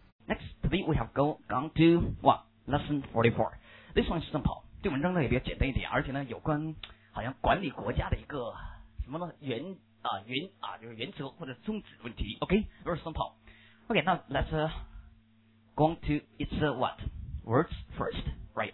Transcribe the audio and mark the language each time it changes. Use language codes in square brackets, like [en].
[en] Next week we have gone to what lesson 44. This one is simple. [zh] 这文章呢也比较简单一点，而且呢有关好像管理国家的一个什么呢就是原则或者宗旨问题。 [en] OK, very simple. OK, now let's go to it's what words first, right?